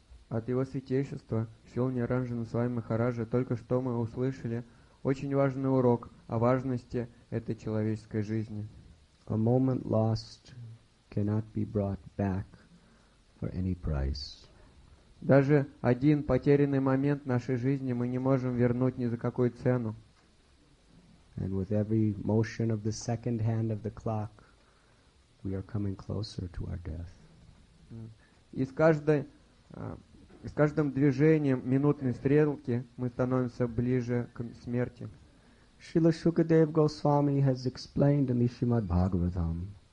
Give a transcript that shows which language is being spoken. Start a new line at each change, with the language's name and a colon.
Russian: От Его Святейшества Шрила Ниранджана Свами Махараджа только что мы услышали очень важный урок о важности этой человеческой жизни.
English: A moment lost cannot be brought back for any price.
Russian: Даже один потерянный момент нашей жизни мы не можем вернуть ни за какую цену.
English: And with every motion of the second hand of the clock, we are coming closer to our death.
Russian: И с каждым движением минутной стрелки мы становимся ближе к смерти.
English: Srila Shukadeva Goswami has explained in the Srimad Bhagavatam.